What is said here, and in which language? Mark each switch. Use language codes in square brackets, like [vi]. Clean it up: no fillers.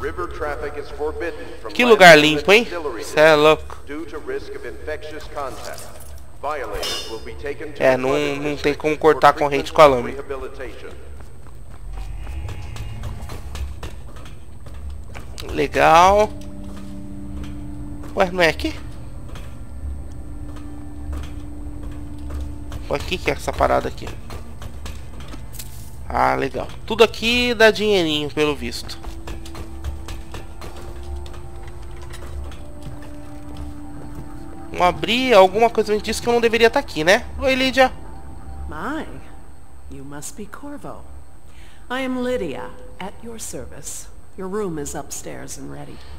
[en] River traffic is forbidden from. [pt] Que lugar limpo, hein? Cê é louco. [en] Due to risk of infectious contact, violators will be taken to. [pt] É, não tem como cortar a corrente com a lâmina. Legal. Ué, não é aqui? Ué, aqui que é essa parada aqui? Ah, legal. Tudo aqui dá dinheirinho, pelo visto. Vamos abrir alguma coisa. Me disse que eu não deveria estar aqui, né? Oi, Lydia. [en] My, you must be Corvo. I am Lydia, at your service. Your room is upstairs and ready.